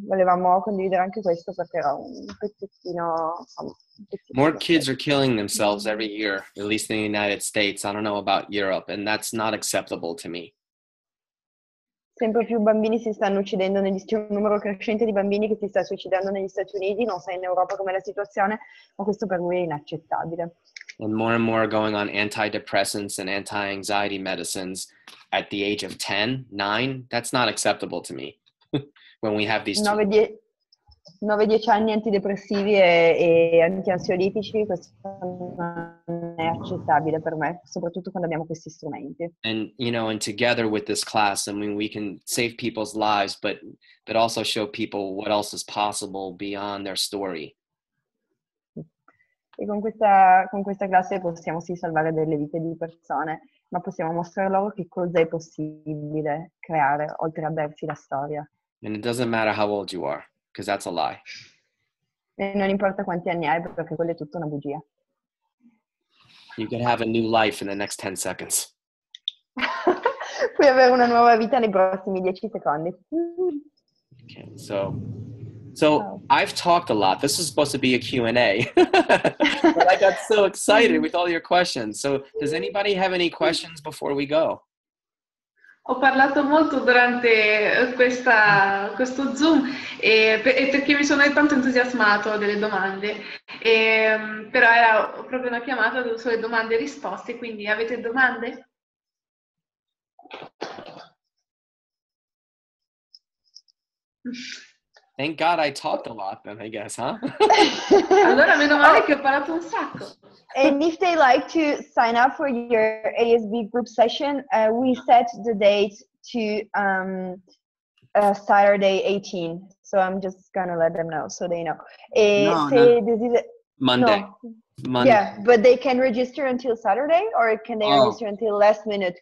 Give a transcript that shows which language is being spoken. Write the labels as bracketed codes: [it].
[it] Volevamo condividere anche questo perché era un pezzettino. [en] More kids are killing themselves every year, at least in the United States. I don't know about Europe, and that's not acceptable to me. [it] Sempre più bambini si stanno uccidendo c'è un numero crescente di bambini che si sta suicidando negli Stati Uniti, non so in Europa com'è la situazione, ma questo per noi è inaccettabile. [en] And more are going on antidepressants and anti-anxiety medicines at the age of 10, 9, that's not acceptable to me. When we have these [it] 9-10 anni antidepressivi e antiansiolitici, questo non è accettabile per me, soprattutto quando abbiamo questi strumenti. [en] And you know, and together with this class, I mean, we can save people's lives, but also show people what else is possible beyond their story. [it] E con questa classe possiamo sì salvare delle vite di persone, ma possiamo mostrare loro che cosa è possibile creare oltre a berci la storia. [en] And it doesn't matter how old you are, because that's a lie. [it] E non importa quanti anni hai, perché quella è tutta una bugia. [en] You can have a new life in the next 10 seconds. [it] Puoi avere una nuova vita nei prossimi 10 secondi. [en] Okay, so... So I've talked a lot. This is supposed to be a Q&A. But I got so excited with all your questions. So does anybody have any questions before we go? [it] Ho parlato molto durante questo Zoom e perché mi sono tanto entusiasmato delle domande. E, però era proprio una chiamata sulle domande e risposte, quindi avete domande? [en] Thank God I talked a lot then, I guess, huh? [it] Allora, meno male che ho parlato un sacco. [en] And if they like to sign up for your ASB group session, we set the date to Saturday 18. So I'm just going to let them know so they know. Monday. Monday. Yeah, but they can register until Saturday, or can they register until last minute?